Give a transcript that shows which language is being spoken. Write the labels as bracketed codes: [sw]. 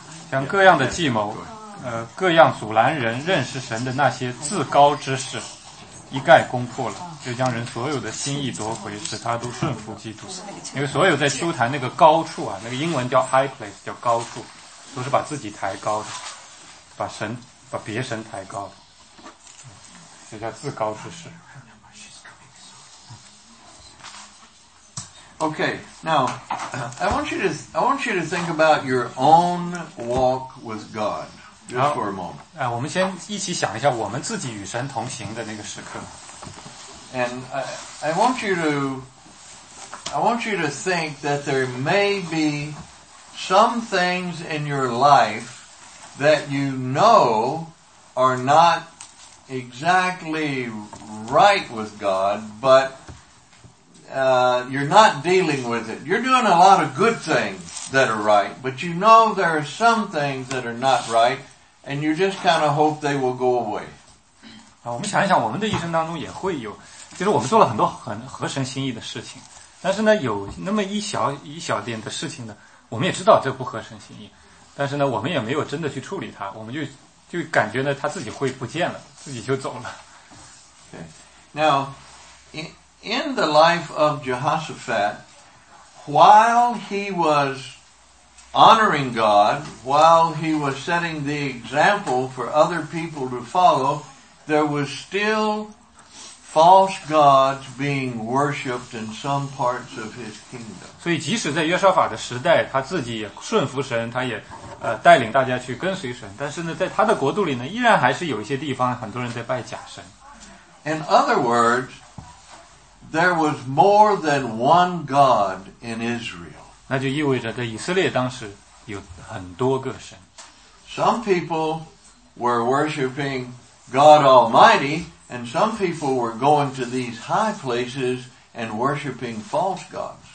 [zh] 像各样的计谋，各样阻拦人认识神的那些自高之事，一概攻破了，就将人所有的心意夺回，使他都顺服基督。因为所有在秋坛那个高处啊，那个英文叫 high place， 叫高处，都是把自己抬高的，把神。把别神抬高，这叫自高之事。 [en] Okay, now I want you to think about your own walk with God just for a moment. [zh] 我们先一起想一下我们自己与神同行的那个时刻。 [en] And I want you to think that there may be some things in your life that you know. Are not exactly right with God, but you're not dealing with it. You're doing a lot of good things that are right, but you know there are some things that are not right, and you just kind of hope they will go away. [zh] 啊，我们想一想，我们的一生当中也会有，就是我们做了很多很合神心意的事情，但是呢，有那么一小点的事情呢，我们也知道这不合神心意，但是呢，我们也没有真的去处理它，我们就感觉呢，它自己会不见了，自己就走了。 [en] Okay. Now, in the life of Jehoshaphat, while he was honoring God, while he was setting the example for other people to follow, there was still false gods being worshipped in some parts of his kingdom. [zh] 所以即使在约沙法的时代，他自己也顺服神，他也带领大家去跟随神，但是呢，在他的国度里呢，依然还是有一些地方很多人在拜假神。 [en] In other words,There was more than one God in Israel. [zh] 那就意味着在以色列当时有很多个神。 [en] Some people were worshiping God Almighty, and some people were going to these high places and worshiping false gods.